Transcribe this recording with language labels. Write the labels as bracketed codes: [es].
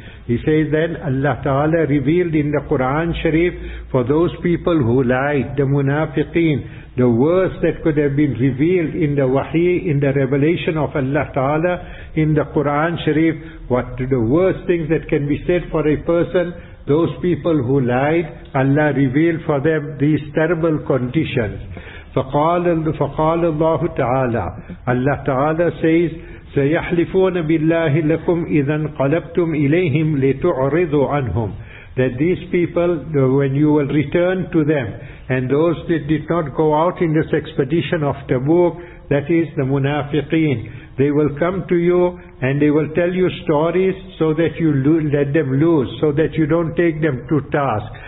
[en] He says then, Allah Ta'ala revealed in the Quran Sharif for those people who lied, the munafiqeen, the worst that could have been revealed in the wahi, in the revelation of Allah Ta'ala, in the Quran Sharif, what the worst things that can be said for a person, those people who lied, Allah revealed for them these terrible conditions. [ar] فَقَالَ اللَّهُ تَعَالَى. [en] Allah Ta'ala says, [ar] سَيَحْلِفُونَ بِاللَّهِ لَكُمْ إِذَا انْقَلَبْتُمْ إِلَيْهِمْ لِتُعْرِضُوا عَنْهُمْ. [en] That these people, when you will return to them, and those that did not go out in this expedition of Tabuk, that is the munafiqeen, they will come to you and they will tell you stories so that you let them loose, so that you don't take them to task.